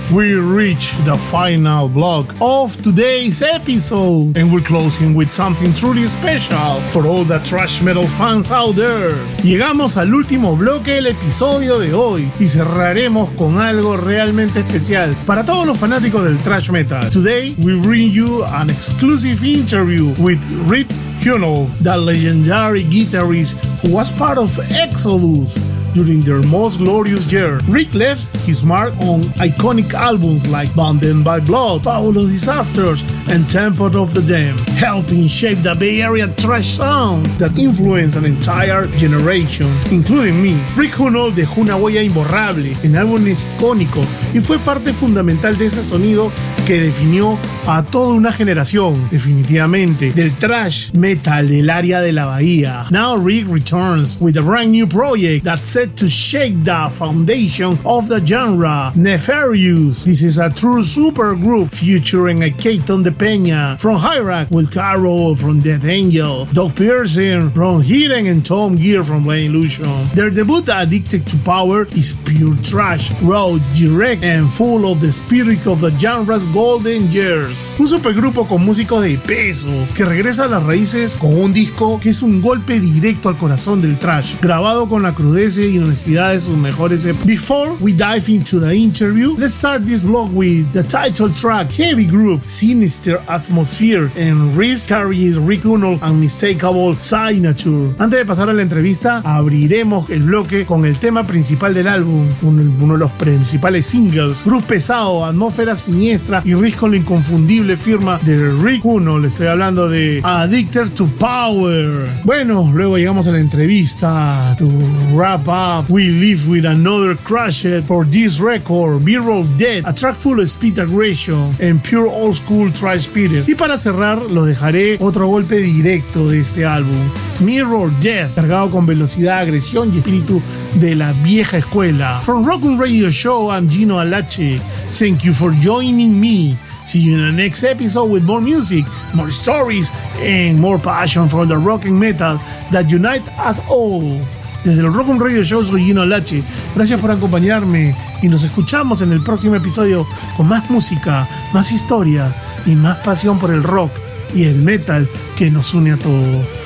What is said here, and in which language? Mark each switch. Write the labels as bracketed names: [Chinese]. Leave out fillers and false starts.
[English] We reach the final block of today's episode, and we're closing with something truly special for all the thrash metal fans out there. [Spanish] Llegamos al último bloque del episodio de hoy y cerraremos con algo realmente especial para todos los fanáticos del thrash metal. [English] Today, we bring you an exclusive interview with Rip Hunold, the legendary guitarist who was part of Exodus, during their most glorious year. Rick left his mark on iconic albums like Bonded by Blood, Fabulous Disasters, and Temple of the Damned, helping shape the Bay Area trash sound that influenced an entire generation, including me. [Spanish] Rick Hunold dejó una huella imborrable en álbumes icónicos y fue parte fundamental de ese sonido que definió a toda una generación, definitivamente, del trash metal del área de la Bahía. [English] Now Rick returns with a brand new project that's set to shake the foundation of the genre, Nefarious. This is a true super group featuring a Keaton de Peña from Hyrax, Will Carroll from Death Angel, Doug Pearson from Hidden, and Tom Gear from Blind Illusion. Their debut, Addicted to Power, is pure trash, raw, direct, and full of the spirit of the genre's golden years. [Spanish] Un supergrupo con músicos de peso que regresa a las raíces con un disco que es un golpe directo al corazón del trash, grabado con la crudeza y honestidad de sus mejores épocas. [English] Before we dive into the interview, let's start this vlog with the title track, Heavy Groove, Sinister Atmosphere, and riffs carry Rick Hunold's unmistakable signature. [Spanish] Antes de pasar a la entrevista, abriremos el bloque con el tema principal del álbum, uno de los principales singles, Groove Pesado, Atmósfera Siniestra, y riffs con la inconfundible firma de Rick Hunold. Estoy hablando de Addicted to Power. Bueno, luego llegamos a la entrevista. [English] To wrap up, we leave with another crushed for this record, Mirror Dead, a track full of speed aggression and pure old school trash spirit. [Spanish] Y para cerrar, lo dejaré otro golpe directo de este álbum, Mirror Dead, cargado con velocidad, agresión y espíritu de la vieja escuela. [English] From Rockun Radio Show, I'm Gino Alache. Thank you for joining me. See you in the next episode with more music, more stories, and more passion for the rock and metal that unite us all. [Spanish] Desde el Rockun Radio Show, soy Gino Alache. Gracias por acompañarme y nos escuchamos en el próximo episodio con más música, más historias y más pasión por el rock y el metal que nos une a todos.